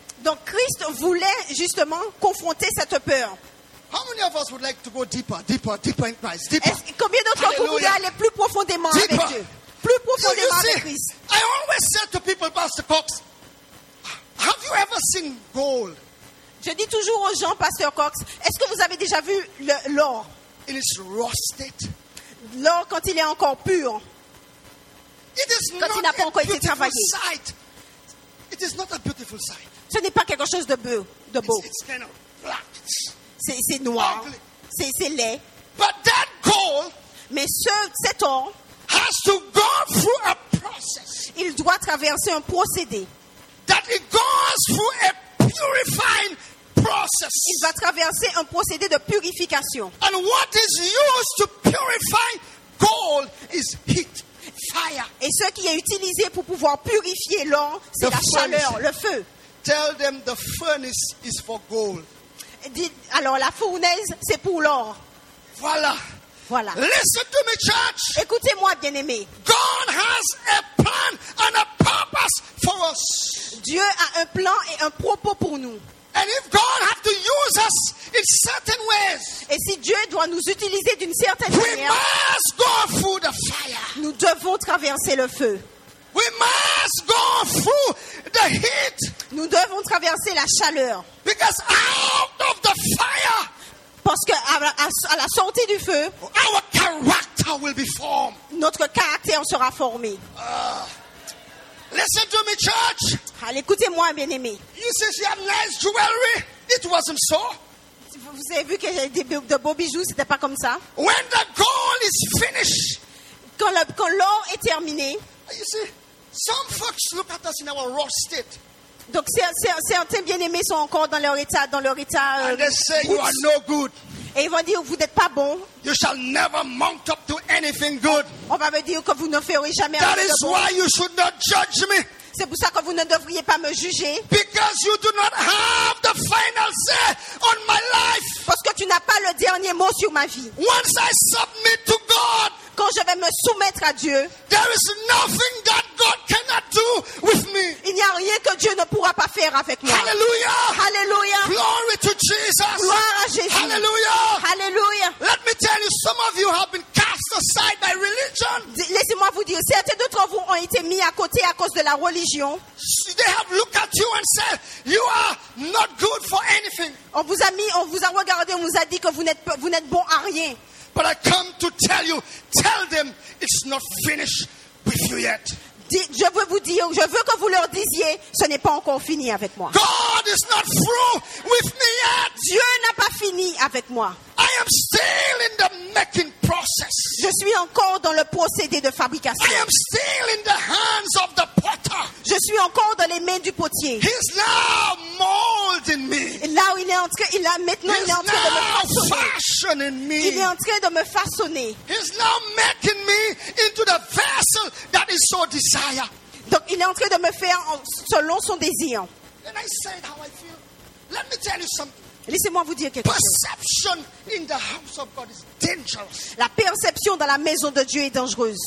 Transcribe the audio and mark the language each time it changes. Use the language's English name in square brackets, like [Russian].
[French] Donc Christ voulait justement confronter cette peur. [English] How many of us would like to go deeper in Christ? Deeper. [French] Combien d'entre vous voulez aller plus profondément [English] deeper. [French] Avec Dieu? Plus profondément so avec Christ. [English] I always said to people, Pastor Cox, have you ever seen gold? [French] Je dis toujours aux gens, Pastor Cox, est-ce que vous avez déjà vu l'or? [English] It is rusted. [French] L'or quand il est encore pur. [English] It is [French] quand [English] not [French] il n'a pas encore été travaillé. [English] Sight. It is not a beautiful sight. [French] Ce n'est pas quelque chose de beau. [English] It's kind of black. [French] C'est noir. C'est laid. [English] But that gold, [French] mais cet or, [English] has to go through a process. [French] Il doit traverser un procédé. [English] That it goes through a purifying process. [French] Il va traverser un procédé de purification. [English] And what is used to purify gold is heat. Fire. [French] Et ce qui est utilisé pour pouvoir purifier l'or, c'est la chaleur, le feu. [English] Tell them the furnace is for gold. [French] Alors la fournaise, c'est pour l'or. Voilà. [English] Listen to me, church. [French] Écoutez-moi, bien-aimé. [English] God has a plan and a purpose for us. [French] Dieu a un plan et un propos pour nous. [English] And if God has to use us in certain ways, [French] et si Dieu doit nous utiliser d'une certaine [English] we [French] manière, [English] must go through the fire. [French] Nous devons traverser le feu. [English] We must go through the heat. [French] Nous devons traverser la chaleur. [English] Because out of the fire, [French] parce qu'à la sortie du feu, [English] our character will be formed. [French] Notre caractère sera formé. [English] Listen to me, church. [French] Allez, écoutez-moi, bien-aimé. [English] You say she had nice jewelry. It wasn't so. [French] Vous avez vu qu'elle avait de beaux bijoux, c'était pas comme ça. [English] When the gold is finished, [French] quand l'or est terminé. [English] You see, some folks look at us in our rusted. [French] Donc certains bien-aimés sont encore dans leur état. [English] And they say you are no good. [French] Et ils vont dire vous n'êtes pas bon. [English] You shall never mount up to anything good. [French] On va me dire que vous ne ferez jamais rien de bon. [English] That is why you should not judge me. [French] C'est pour ça que vous ne devriez pas me juger. [English] Because you do not have the final say on my life. [French] Parce que tu n'as pas le dernier mot sur ma vie. [English] Once I submit to God, [French] quand je vais me soumettre à Dieu, [English] there is nothing that God cannot do with me. [French] Il n'y a rien que Dieu ne pourra pas faire avec moi. [English] Hallelujah. [French] Hallelujah. [English] Glory to Jesus. [French] Gloire à Jésus. [English] Hallelujah. [French] Hallelujah. [English] Let me tell you, some of you have been cast aside by religion. [French] Laissez-moi vous dire, certains d'entre vous ont été mis à côté à cause de la religion. [English] They have looked at you and said, you are not good for anything. [French] On vous a regardé, on vous a dit que vous n'êtes bon à rien. [English] But I come to tell you, tell them it's not finished with you yet. [French] Je veux vous dire, je veux que vous leur disiez, ce n'est pas encore fini avec moi. [English] God is not through with me yet. [French] Dieu n'a pas fini avec moi. [English] I am still in the making process. [French] Je suis encore dans le procédé de fabrication. [English] I am still in the hands of the potter. [French] Je suis encore dans les mains du potier. [English] He's now molding me. [French] Et là où il est entré, il a maintenant [English] He's [French] il est en train [English] now [French] de me façonner. [English] Fashioning me. [French] Il est en train de me façonner. [English] He's now making me into the vessel that is so desired. [French] Donc il est en train de me faire selon son désir. [English] And I said how I feel. Let me tell you something. [French] Laissez-moi vous dire quelque [English] perception [French] chose. [English] In the house of God is dangerous. [French] La perception dans la maison de Dieu est dangereuse.